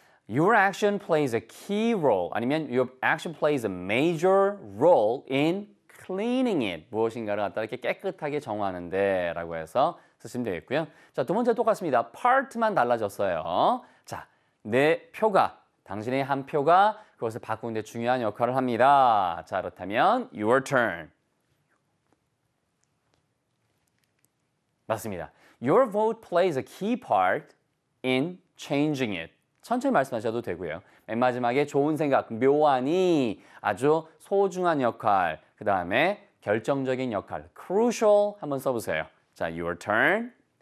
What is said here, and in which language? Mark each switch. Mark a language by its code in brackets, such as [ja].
[en] Your action plays a key role [ko] 아니면 [en] your action plays a major role in cleaning it. [ko] 무엇인가를 갖다 이렇게 깨끗하게 정하는데 라고 해서 쓰시면 되겠고요. 자, 두 번째 똑같습니다. part만 달라졌어요. 자, 내 표가, 당신의 한 표가 그것을 바꾸는 데 중요한 역할을 합니다. 자, 그렇다면 [en] your turn. [ko] 맞습니다. [en] Your vote plays a key part in changing it. [ko] 천천히 말씀하셔도 되고요. 맨 마지막에 좋은 생각, 묘안이 아주 소중한 역할, 그 다음에 결정적인 역할, crucial 한번 써보세요. 자, [en] your turn.